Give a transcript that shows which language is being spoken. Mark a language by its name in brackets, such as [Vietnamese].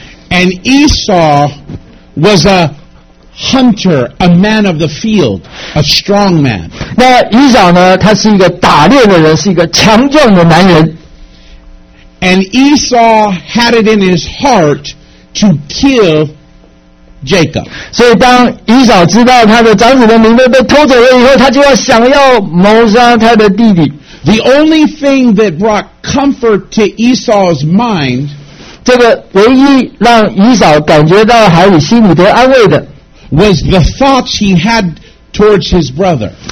[English] And Esau was a hunter, a man of the field, a strong man. [Chinese] 那以扫呢，他是一个打猎的人，是一个强壮的男人。 [English] And Esau had it in his heart to kill Jacob. [Chinese] 所以当以扫知道他的长子的名分被偷走了以后，他就要想要谋杀他的弟弟。 [English] The only thing that brought comfort to Esau's mind. [Chinese] 这个唯一让以扫感觉到还有心里得安慰的 [English] was the thoughts he had towards his brother.